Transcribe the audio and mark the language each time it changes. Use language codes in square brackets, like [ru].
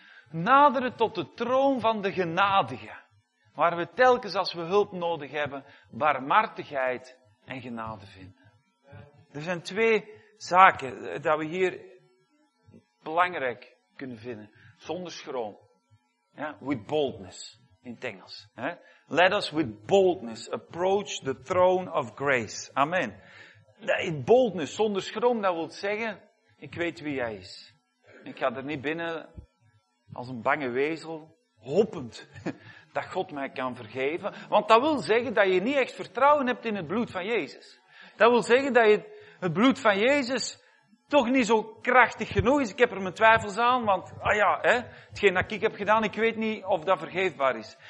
[nl] Naderen tot de troon van de genadige, waar we telkens als we hulp nodig hebben, barmhartigheid en genade vinden. Er zijn twee zaken dat we hier belangrijk kunnen vinden. Zonder schroom. Ja, [en] with boldness, [nl] in het Engels. Hè? [en] Let us with boldness approach the throne of grace. [nl] Amen. [en] In boldness, [nl] zonder schroom, dat wil zeggen, ik weet wie jij is. Ik ga er niet binnen als een bange wezel, hopend dat God mij kan vergeven. Want dat wil zeggen dat je niet echt vertrouwen hebt in het bloed van Jezus. Dat wil zeggen dat je het bloed van Jezus toch niet zo krachtig genoeg is. Ik heb er mijn twijfels aan, want ah ja, hè, hetgeen dat ik heb gedaan, ik weet niet of dat vergeefbaar is.